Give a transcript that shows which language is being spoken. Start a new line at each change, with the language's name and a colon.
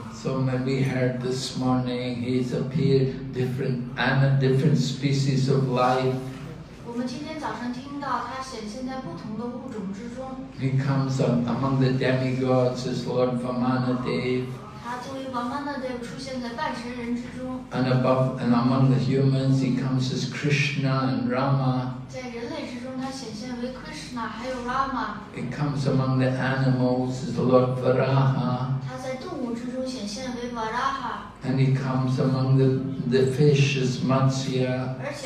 English: So when we heard this morning, he's appeared different species of life.
Chinese: 我们今天早上听到他显现在不同的物种之中。
English: He comes up among the demigods as Lord Vamanadeva.
Chinese: 他作为王曼的出现在半神人之中。
English: And above and among the humans, he comes as Krishna and Rama.
Chinese: 在人类之中，他显现为Krishna还有Rama.
English: He comes among the animals as Lord Varaha.
Chinese: 他在动物之中显现为Varaha.
English: And he comes among the fish as Matsya.